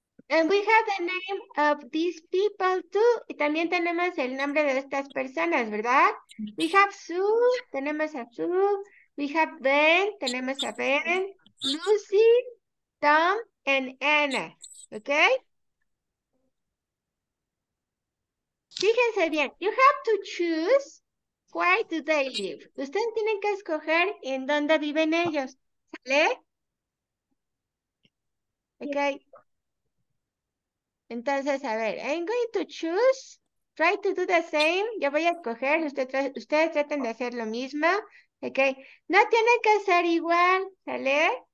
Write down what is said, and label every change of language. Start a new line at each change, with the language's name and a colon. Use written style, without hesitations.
English: And we have the name of these people too.
Spanish: Y también tenemos el nombre de estas personas, ¿verdad?
English: We have Sue,
Spanish: tenemos a Sue.
English: We have Ben,
Spanish: tenemos a Ben.
English: Lucy, Tom, and Anna. ¿Ok?
Spanish: Fíjense bien.
English: You have to choose where do they live.
Spanish: Ustedes tienen que escoger en dónde viven ellos. ¿Sale? ¿Ok? Entonces, a ver,
English: I'm going to choose, try to do the same,
Spanish: yo voy a escoger, ustedes traten de hacer lo mismo, ok, no tiene que ser igual, ¿sale?